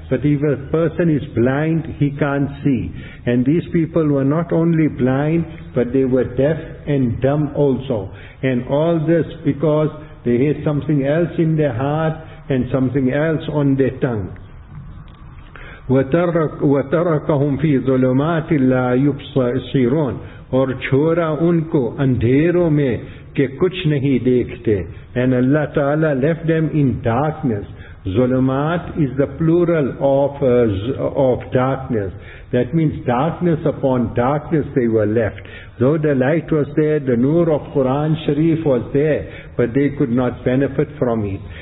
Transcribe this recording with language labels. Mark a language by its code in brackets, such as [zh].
[en] But if a person is blind, he can't see. And these people were not only blind, but they were deaf and dumb also. And all this because they had something else in their heart and something else on their tongue. [ar] وَتَرَكَهُمْ فِي ظُلُمَاتِ لَا يُبْصِرُونَ [ur] اور چھوڑا ان کو اندھیروں میں کہ کچھ نہیں دیکھتے. [en] And Allah Ta'ala left them in darkness. Zulumat is the plural of darkness. That means darkness upon darkness they were left. Though the light was there, the nur of Quran Sharif was there, but they could not benefit from it.